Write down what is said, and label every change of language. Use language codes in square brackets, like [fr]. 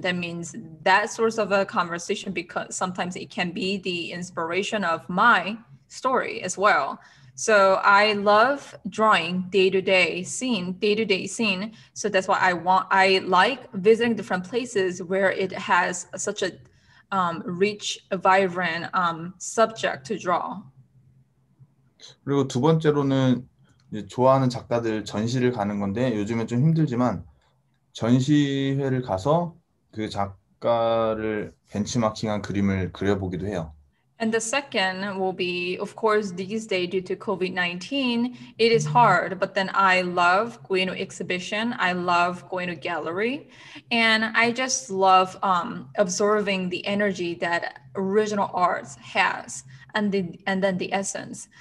[en] That means that source of a conversation because sometimes it can be the inspiration of my story as well. So I love drawing day-to-day scene. So that's why I like visiting different places where it has such a rich, vibrant subject to draw. [ko] 그리고 두 번째로는 좋아하는 작가들 전시를 가는 건데 요즘에 좀 힘들지만 전시회를 가서 그 작가를 벤치마킹한 그림을 그려보기도 해요. [en] And the second will be, of course, these days due to COVID-19, it is hard, but then I love going to exhibition. I love going to gallery. And I just love observing the energy that original arts has and then the essence.